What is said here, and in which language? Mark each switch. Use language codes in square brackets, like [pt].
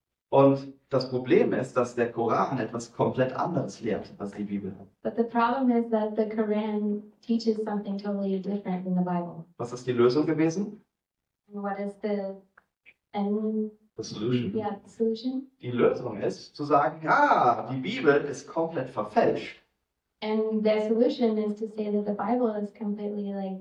[de] Und das Problem ist, dass der Koran etwas komplett anderes lehrt als die Bibel. [en] But the problem is that the Quran teaches something totally different than the Bible. [de] Was ist die Lösung gewesen? [en] What is the end? The solution. Yeah, the solution. [de] Die Lösung ist zu sagen, die Bibel ist komplett verfälscht. [en] And the solution is to say that the Bible is completely